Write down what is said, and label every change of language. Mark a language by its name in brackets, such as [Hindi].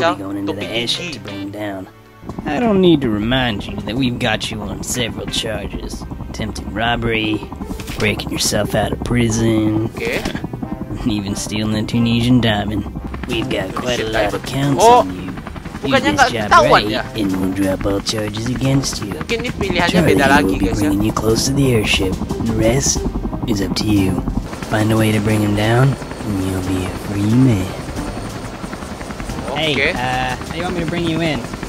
[English] You'll be going into the airship to bring them down. I don't need to remind you that we've got you on several charges: attempting robbery, breaking yourself out of prison, okay, even stealing a Tunisian diamond. We've got quite a lot of counts on you. [Indonesian] Bukannya nggak ketahuan ya? [English] And we'll drop all charges against you. [Indonesian] Mungkin ini pilihannya beda lagi, guys. [English] Charlie will be bringing you close to the airship. The rest is up to you. Find a way to bring him down, and you'll be a free man. Hey, how you want me to bring you in?